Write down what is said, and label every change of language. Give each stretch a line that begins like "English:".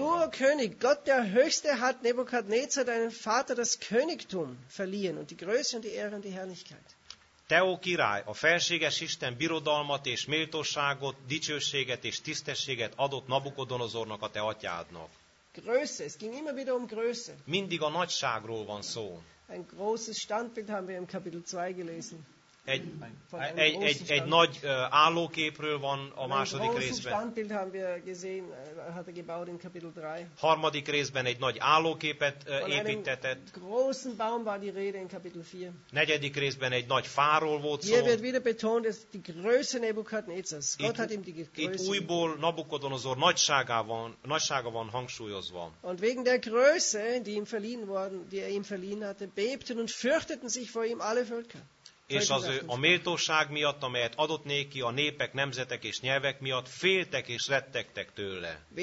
German: Du, o König, Gott der Höchste hat Nebukadnezar, deinem Vater, das Königtum verliehen und die Größe und die Ehre und die Herrlichkeit.
Hungarian: Te, ó király, a felséges Isten birodalmat és méltóságot, dicsőséget és tisztességet adott Nabukodonozornak, a te atyádnak.
German: Größe, es ging immer wieder Größe.
Hungarian: Mindig a nagyságról van szó.
German: Ein großes Standbild haben wir im Kapitel 2 gelesen.
Hungarian: Egy nagy állóképről van a második részben.
German: Standbild haben wir gesehen, hat gebaut in Kapitel 3.
Hungarian: Harmadik részben egy nagy állóképet építetett.
German: Großen Baum war die Rede in Kapitel 4.
Hungarian: Negyedik részben egy nagy fáról volt szó.
German: Hier wird wieder betont, dass die Größe Nebukadnezars. Gott hat ihm die Größe.
Hungarian: Itt újból Nabukodonozor nagysága van hangsúlyozva.
German: Und wegen der Größe, die ihm verliehen worden, die er ihm verliehen hatte, bebten und fürchteten sich vor ihm alle Völker.
Hungarian: És az ő a méltóság miatt, amelyet adott néki, a népek, nemzetek és nyelvek miatt féltek és rettegtek tőle.